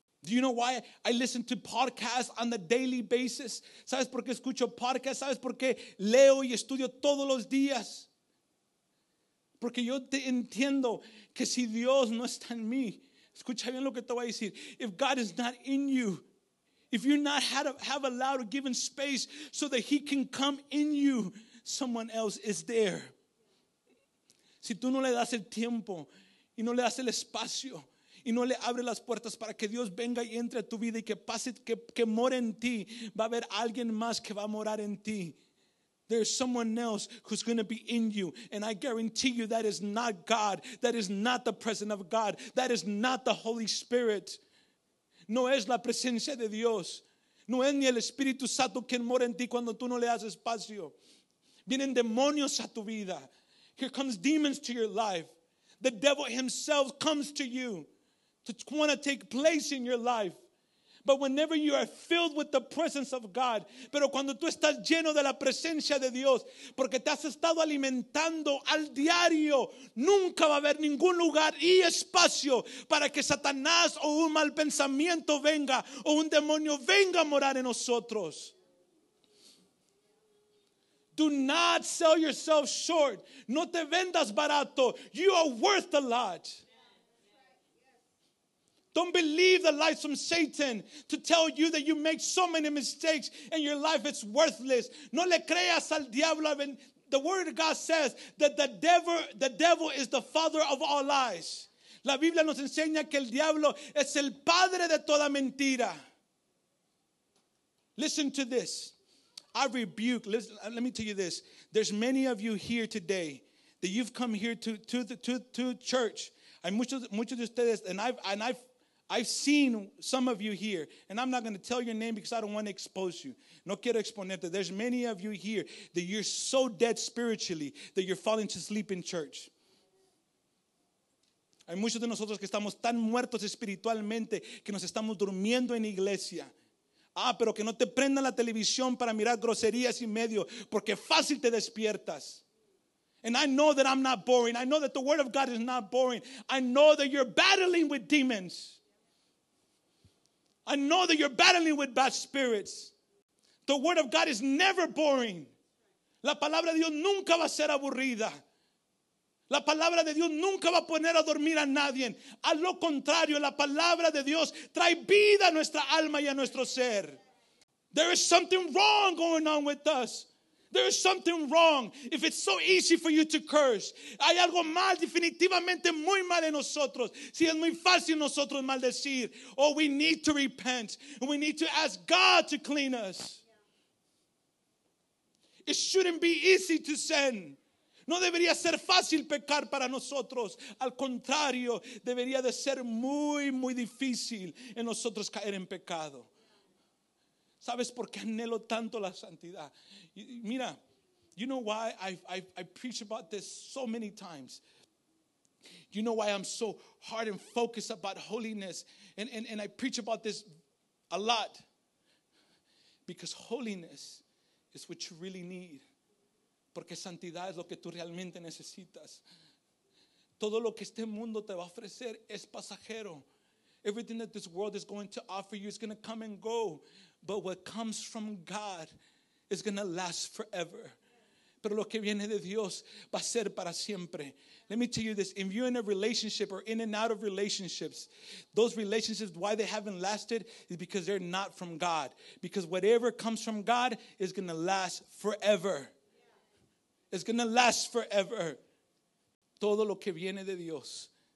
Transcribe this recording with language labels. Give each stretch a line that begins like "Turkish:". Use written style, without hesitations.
English: Do you know why I listen to podcasts on a daily basis?
Spanish: ¿Sabes por qué escucho podcasts? ¿Sabes por qué leo y estudio todos los días? Porque yo te entiendo que si Dios no está en mí, escucha bien lo que te voy a decir.
English: If God is not in you, if you're not have allowed or given space so that He can come in you, someone else is there.
Spanish: Si tú no le das el tiempo y no le das el espacio y no le abres las puertas para que Dios venga y entre a tu vida y que pase, que more en ti, va a haber alguien más que va a morar en ti.
English: There's someone else who's going to be in you. And I guarantee you that is not God. That is not the presence of God. That is not the Holy Spirit.
Spanish: No es la presencia de Dios. No es ni el Espíritu Santo quien mora en ti cuando tú no le das espacio. Vienen demonios a tu vida.
English: Here comes demons to your life. The devil himself comes to you to want to take place in your life. But whenever you are filled with the presence of God,
Spanish: pero cuando tú estás lleno de la presencia de Dios, porque te has estado alimentando al diario, nunca va a haber ningún lugar y espacio para que Satanás o un mal pensamiento venga o un demonio venga a morar en nosotros.
English: Do not sell yourself short.
Spanish: No te vendas barato.
English: You are worth a lot. Don't believe the lies from Satan to tell you that you make so many mistakes and your life is worthless.
Spanish: No le creas al diablo.
English: The word of God says that the devil is the father of all lies.
Spanish: La Biblia nos enseña que el diablo es el padre de toda mentira.
English: Listen to this. I rebuke. Listen, let me tell you this. There's many of you here today that you've come here to church.
Spanish: Hay muchos de ustedes,
English: and I've seen some of you here, and I'm not going to tell your name because I don't want to expose you.
Spanish: No quiero exponerte.
English: There's many of you here that you're so dead spiritually that you're falling to sleep in church.
Spanish: Hay muchos de nosotros que estamos tan muertos espiritualmente que nos estamos durmiendo en iglesia. Ah, pero que no te prendan la televisión para mirar groserías y medio, porque fácil te despiertas.
English: And I know that I'm not boring. I know that the word of God is not boring. I know that you're battling with demons. I know that you're battling with bad spirits. The word of God is never boring.
Spanish: La palabra de Dios nunca va a ser aburrida. La palabra de Dios nunca va a poner a dormir a nadie. A lo contrario, la palabra de Dios trae vida a nuestra alma y a nuestro ser.
English: There is something wrong going on with us. There is something wrong if it's so easy for you to curse.
Spanish: Hay algo mal, definitivamente muy mal en nosotros. Si es muy fácil nosotros maldecir.
English: Oh, we need to repent. We need to ask God to clean us. It shouldn't be easy to sin.
Spanish: No debería ser fácil pecar para nosotros. Al contrario, debería de ser muy, muy difícil en nosotros caer en pecado. ¿Sabes por qué anhelo tanto la santidad?
English: Mira, you know why I preach about this so many times. You know why I'm so hard and focused about holiness. And I preach about this a lot. Because holiness is what you really need.
Spanish: Porque santidad es lo que tú realmente necesitas. Todo lo que este mundo te va a ofrecer es pasajero.
English: Everything that this world is going to offer you is going to come and go. But what comes from God is going to last forever.
Spanish: Pero lo que viene de Dios va a ser para siempre.
English: Let me tell you this. If you're in a relationship or in and out of relationships, those relationships, why they haven't lasted is because they're not from God. Because whatever comes from God is going to last forever. It's going to last forever.
Spanish: Todo lo que viene de Dios.